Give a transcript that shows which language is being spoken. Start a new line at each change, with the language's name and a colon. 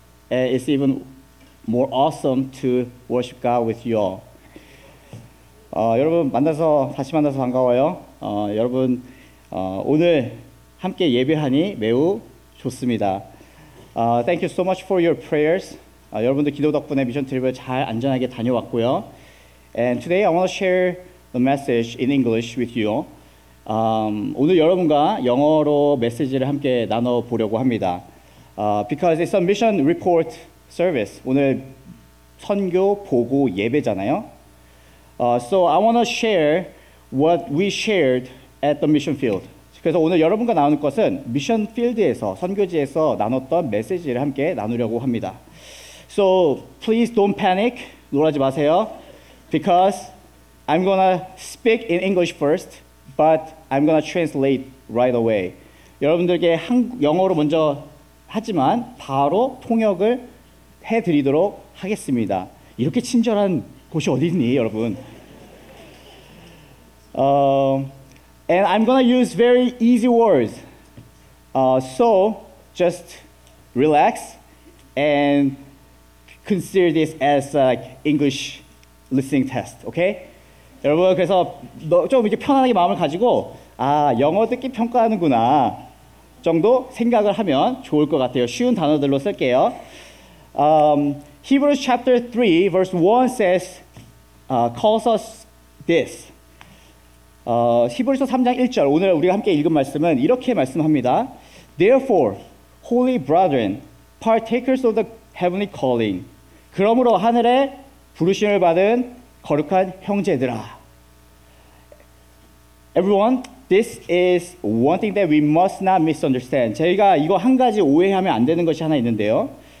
English: It's even more awesome to worship God with you all.
Korean: 여러분 다시 만나서 반가워요. 여러분 오늘 함께 예배하니 매우 좋습니다.
English: Thank you so much for your prayers.
Korean: 여러분들 기도 덕분에 미션 트립을 잘 안전하게 다녀왔고요.
English: And today I want to share the message in English with you.
Korean: 오늘 여러분과 영어로 메시지를 함께 나눠보려고 합니다.
English: Because it's a mission report service.
Korean: 오늘 선교 보고 예배잖아요.
English: So I want to share what we shared at the mission field.
Korean: 그래서 오늘 여러분과 나눌 것은 미션 필드에서 선교지에서 나눴던 메시지를 함께 나누려고 합니다.
English: So please don't panic. 놀라지 마세요. Because I'm gonna speak in English first, but I'm gonna translate right away. 여러분들께 영어로 먼저
Korean: 하지만 바로 통역을 해드리도록 하겠습니다. 이렇게 친절한 곳이 어디 있니, 여러분?
English: And I'm gonna use very easy words. So just relax and consider this as like English listening test, okay?
Korean: 여러분, 그래서 좀 이렇게 편안하게 마음을 가지고 아, 영어 듣기 평가하는구나 정도 생각을 하면 좋을 것 같아요.
English: 쉬운 단어들로 쓸게요. Hebrews chapter 3 verse 1 says calls us this.
Korean: 히브리서 3장 1절 오늘 우리가 함께 읽은 말씀은 이렇게 말씀합니다.
English: Therefore, holy brethren, partakers of the heavenly calling.
Korean: 그러므로 하늘의 부르심을 받은 거룩한 형제들아.
English: Everyone, this is one thing that we must not misunderstand.
Korean: 저희가 이거 한 가지 오해하면 안 되는 것이 하나 있는데요.